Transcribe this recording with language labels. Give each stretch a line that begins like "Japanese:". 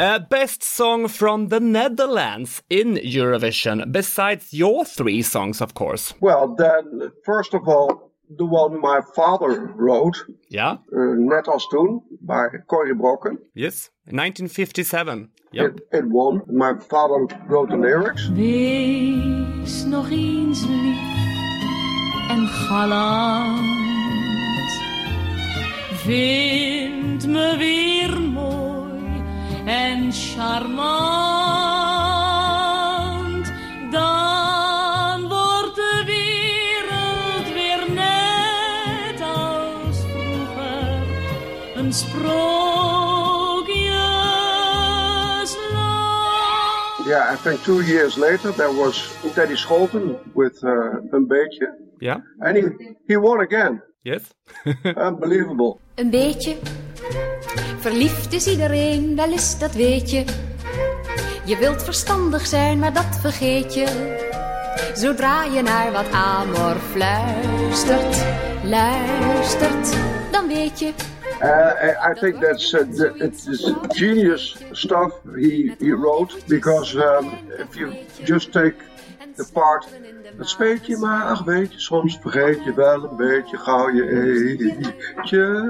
English: Best song from the Netherlands in Eurovision, besides your three songs, of course. Well, then, first of all, the one my father wrote. Yeah.
Dutch: Net als toen by Corrie Brokken.
English: Yes, 1957. Yep. It won. My father wrote the lyrics.
Dutch: Wees nog eens lief en galant. Vind me weer mooi. En charmant, dan wordt de wereld weer net als vroeger, een sprookjesland.
English: Yeah, I think 2 years later there was Teddy Scholten with Een Beetje. Yeah. And he won again. Yes. Unbelievable.
Dutch: Een beetje. Verliefd is iedereen, wel is dat weet je. Je wilt verstandig zijn, maar dat vergeet je. Zodra je naar wat amor fluistert, luistert, dan weet je.
English: I think that's it's genius stuff he wrote, because if you just take the part.
Dutch: Het speet je maar, ach weet je, soms vergeet je wel een beetje gauw je eetje.